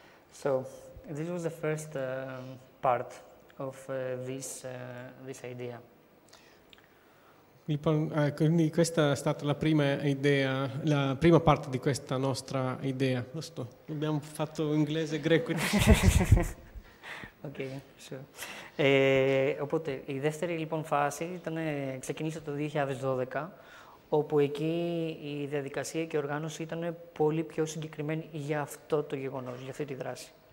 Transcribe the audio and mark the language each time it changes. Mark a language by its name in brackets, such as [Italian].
[English] So, this was the first part of this idea. [Italian] Quindi questa è stata la prima idea, la prima parte di questa nostra idea. Giusto. Abbiamo fatto inglese e greco. [English] Ok, sure. [Greek] Οπότε η δεύτερη λοιπόν φάση ήταν, ξεκίνησε το 2012, όπου εκεί η διαδικασία και η οργάνωση ήταν πολύ πιο συγκεκριμένη για αυτό το γεγονός, για αυτή τη δράση.